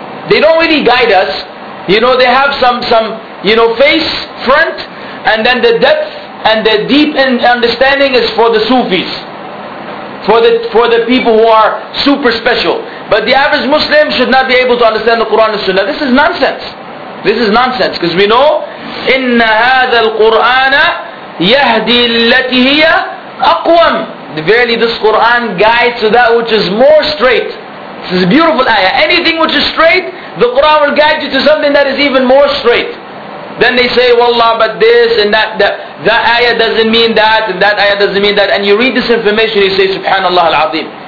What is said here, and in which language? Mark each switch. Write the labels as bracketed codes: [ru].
[en] They don't really guide us. You know, they have some face, front, and then the depth and the deep understanding is for the Sufis. For the people who are super special. But the average Muslim should not be able to understand the Quran and the Sunnah. This is nonsense. This is nonsense, because we know [ar] إن هذا القرآن يهدي التي هي أقوم. [en] Verily this Quran guides to that which is more straight. This is a beautiful ayah. Anything which is straight, the Quran will guide you to something that is even more straight. Then they say, "Wallah, but this and that, that ayah doesn't mean that, and that ayah doesn't mean that." And you read this information, you say, "Subhanallah al-Azim."